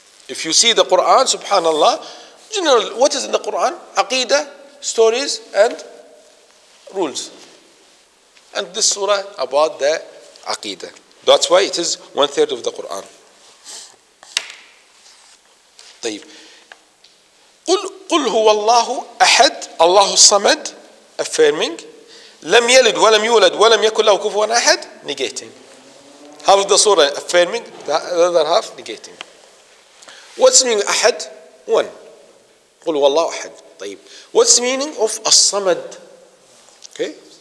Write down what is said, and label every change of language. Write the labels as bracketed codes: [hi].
[en] If you see the Quran, subhanallah, general, what is in the Quran? Aqidah, stories, and rules. And this surah about the Aqidah. That's why it is one third of the Quran. [ar] طيب. قل هو الله أحد, الله الصمد, affirming. لم يلد ولم يولد ولم يكن له كفوا أحد, negating. [en] Half of the surah affirming, the other half negating. What's the meaning of أحد? One. [ar] قل هو الله أحد. [en] طيب. What's the meaning of الصمد? Okay.